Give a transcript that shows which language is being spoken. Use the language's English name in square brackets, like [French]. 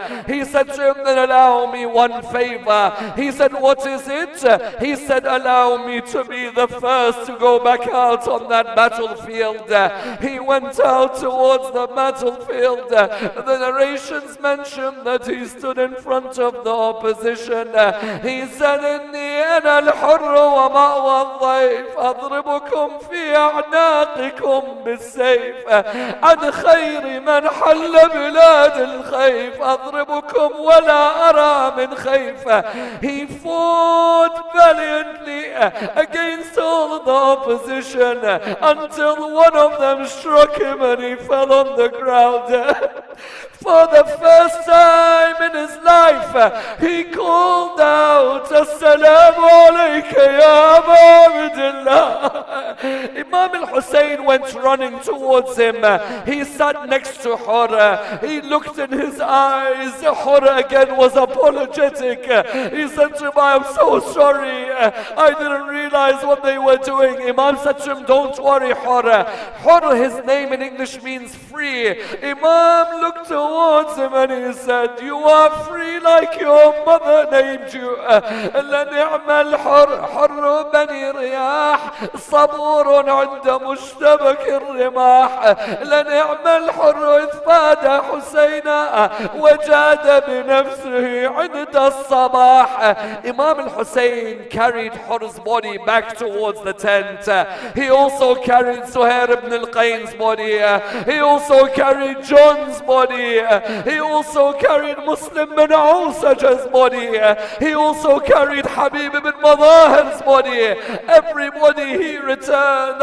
[English] He said to him, then allow me one favor. He said, what is it? He said, allow me to be the first to go back out on that battlefield. He went out towards the battlefield. The narrations mention that he stood in front of the opposition. He said, [Arabic] إني أنا الحر ومأوى الضيف أضربكم في أعناقكم بالسيف عن خير من حل بلاد الخيف أضربكم ولا أرى من خيف. [English] He fought valiantly against all the opposition until one of them struck him and he fell on the ground. For the first time in his life, he called out, As-salamu alayka ya Abu Abdullah. Imam al-Hussein went running towards him. He sat next to Hur. He looked in his eyes. Hur again was apologetic. He said to him, I am so sorry. I didn't realize what they were doing. Imam said to him, don't worry, Hur. Hur, his name in English means free. Imam looked towards him and he said, you are free like your mother named you. [Arabic] لنعم الحر حر بني رياح صبور عند مشتبك الرماح لنعم الحر إذ فاد حسينا وجاد بنفسه عند الصباح. [English] Imam al-Hussein carried Hur's body back towards the tent. He also carried Suhair ibn al-Qain's body. He also carried John's body. He also carried Muslim bin Awsaj's body. He also carried Habib ibn Madahir's body. Everybody he returned.